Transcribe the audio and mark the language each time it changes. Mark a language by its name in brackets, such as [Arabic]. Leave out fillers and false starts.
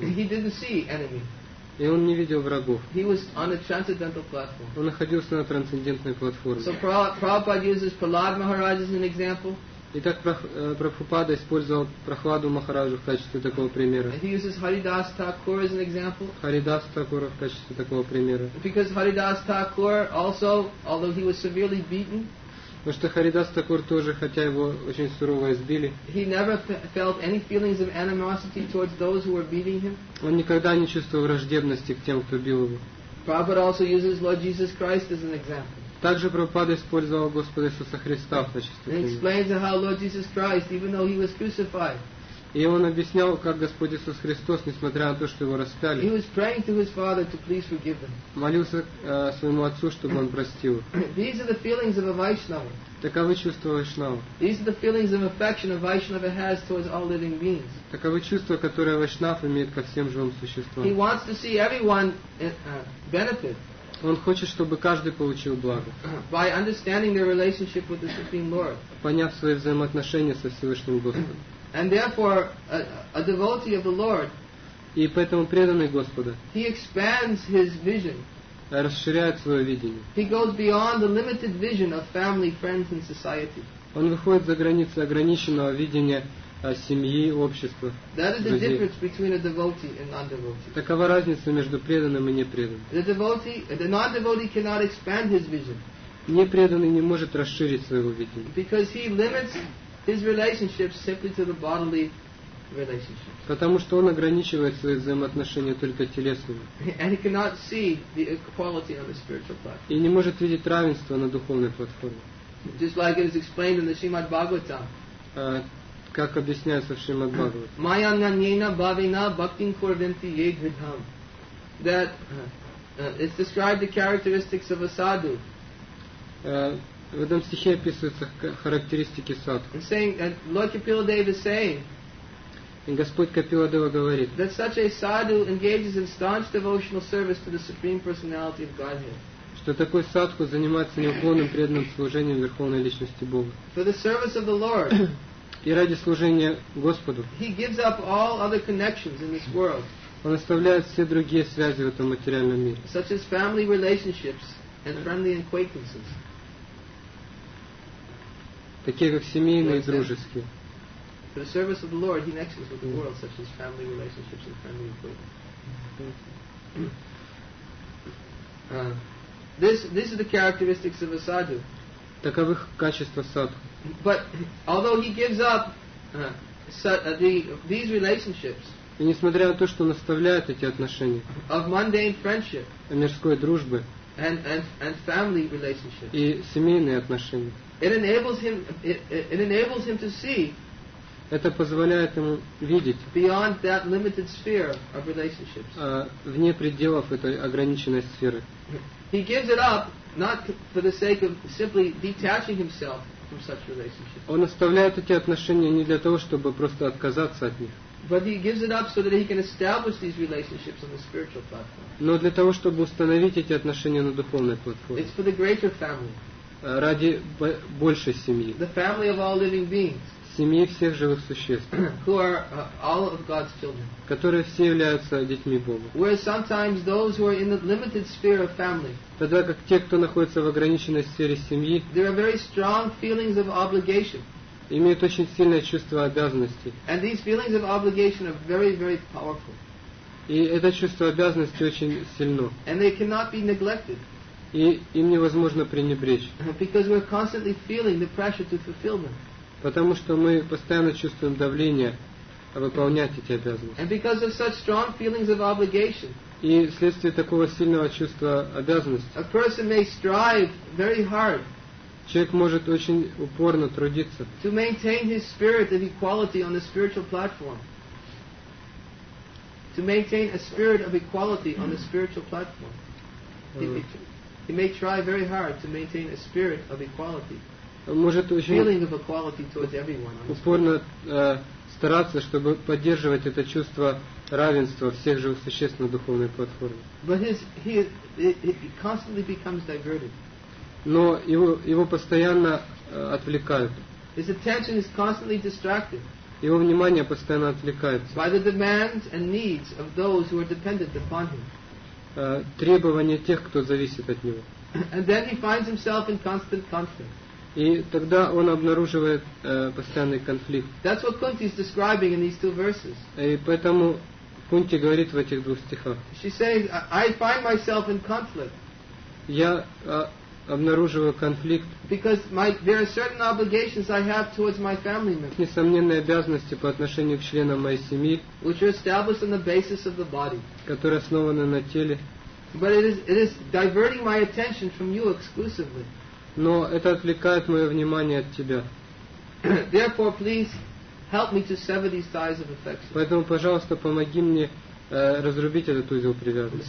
[English] He didn't see enemy. [Russian] И он не видел врагов. [English] He was on a transcendental platform. [Russian] Он находился на трансцендентной платформе. [English] So Prabhupada uses Prahlad Maharaj as an example. [Russian] Итак, Прабхупада использовал Прохладу Махараджу в качестве такого примера. [English] He uses Haridas Thakur as an example. [Russian] Haridas Thakur в качестве такого примера. [English] Because Haridas Thakur also, although he was severely beaten, [Russian] потому что Haridas Thakur тоже, хотя его очень сурово избили, [English] he never felt any feelings of animosity towards those who were beating him. [Russian] Он никогда не чувствовал враждебности к тем, кто бил его. [English] Prabhupada also uses Lord Jesus Christ as an example. [Russian] Также Прабхупада использовал Господа Иисуса Христа в качестве примера. И он объяснял, как Господь Иисус Христос, несмотря на то, что его распяли, [English] he was praying to his father to please forgive them. [Russian] Молился своему отцу, чтобы он простил. [English] These are the feelings of a Vaishnava. [Russian] Таковы чувства Вайшнава. [English] These are the feelings of affection a Vaishnava has towards all living beings. [Russian] Таковы чувства, которые Вайшнав имеет ко всем живым существам. [English] He wants to see everyone benefit. [Russian] Он хочет, чтобы каждый получил благо. [English] By understanding their relationship with the Supreme Lord. [Russian] Поняв свои взаимоотношения со Всевышним Господом. [English] And therefore, a devotee of the Lord. [Russian] И поэтому преданный Господа. [English] He expands his vision. [Russian] Расширяет свое видение. [English] He goes beyond the limited vision of family, friends, and society. [Russian] Он выходит за границы ограниченного видения семьи, общества, [English] that is the [Russian] друзей. [English] Difference between a devotee and non-devotee. [Russian] Такова разница между преданным и непреданным. [English] The non-devotee cannot expand his vision. [Russian] Непреданный не может расширить своего видения. [English] Because he limits his relationships simply to the bodily relationships. [Russian] Потому что он ограничивает свои взаимоотношения только телесными. [English] And he cannot see the equality on the spiritual platform. [Russian] И не может видеть равенство на духовной платформе. [English] Just like it is explained in the Srimad Bhagavatam. [Russian] Как объясняется в Шримад Бхагаватам. [Sanskrit] Майя нанейна бхавина бхактин курвенти ей гридхам. [English] That it's described the characteristics of a sadhu. [Russian] В этом стихе описываются характеристики садху. [English] And Lord Kapila Deva is saying. [Russian] И Господь Капила Дева говорит. [English] That such a sadhu engages in staunch devotional service to the Supreme Personality of Godhead. [Russian] Что такой садху занимается неуклонным преданным служением Верховной Личности Бога. [English] For the service of the Lord. [Russian] И ради служения Господу. [English] He gives up all other connections in this world. [Russian] Он оставляет все другие связи в этом материальном мире. [English] Such as family relationships and friendly acquaintances. [Russian] Такие как семейные и дружеские. [English] For the service of the Lord, he mixes with the world, such as family relationships and family equipment. This is the characteristics of a sadhu. [Russian] Таковых качества садху. [English] But although he gives up these relationships, [Russian] и несмотря на то, что он оставляет эти отношения, [English] of mundane friendship, [Russian] мирской дружбы, [English] and family relationships, [Russian] и семейные отношения, [English] it enables him to see. [Russian] Это позволяет ему видеть [English] beyond that limited sphere of relationships. [Russian] Вне пределов этой ограниченной сферы. [English] He gives it up not for the sake of simply detaching himself from such relationships. [Russian] Он оставляет эти отношения не для того, чтобы просто отказаться от них. [English] But he gives it up so that he can establish these relationships on the spiritual platform. [Russian] Но для того, чтобы установить эти отношения на духовной платформе. [English] It's for the greater family. [Russian] Ради большей семьи. [English] The family of all living beings. [Russian] Семьи всех живых существ, [English] who are all of God's children, [Russian] которые все являются детьми Бога. [English] Whereas sometimes those who are in the limited sphere of family, [Russian] тогда как те, кто находится в ограниченной сфере семьи, [English] there are very strong feelings of obligation, [Russian] имеют очень сильное чувство обязанности. [English] And these feelings of obligation are very, very powerful. [Russian] И это чувство обязанности очень сильно. [English] And they cannot be neglected. [Russian] И им невозможно пренебречь. [English] Because we're constantly feeling the pressure to fulfill them. [Russian] Потому что мы постоянно чувствуем давление выполнять эти обязанности. [English] And because of such strong feelings of obligation, [Russian] и вследствие такого сильного чувства обязанности, [English] a person may strive very hard, [Russian] человек может очень упорно трудиться, [English] to maintain his spirit of equality on the spiritual platform. To maintain a spirit of equality on the spiritual platform. He may try very hard to maintain a spirit of equality. [Russian] Может очень упорно стараться, чтобы поддерживать это чувство равенства всех живых существ на духовной платформе. [English] But he constantly becomes diverted. [Russian] Но его постоянно отвлекают. [English] His attention is constantly distracted. [Russian] Его внимание постоянно отвлекается. [English] By the demands and needs of those who are dependent upon him. [Russian] Требования тех, кто зависит от него. [English] And then he finds himself in constant conflict. [Russian] И тогда он обнаруживает постоянный конфликт. [English] That's what Kunti is describing in these two verses. [Russian] И поэтому Кунти говорит в этих двух стихах. [English] She says, I find myself in conflict. [Russian] Я обнаруживаю конфликт. [English] Because there are certain obligations I have towards my family members. [Russian] Несомненные обязанности по отношению к членам моей семьи. [English] Which are established on the basis of the body. [Russian] Которые основаны на теле. [English] But it is diverting my attention from you exclusively. [Russian] Но это отвлекает мое внимание от тебя. [English] Therefore, please help me to sever these ties of affection. [Russian] Поэтому, пожалуйста, помоги мне разрубить этот узел привязанности.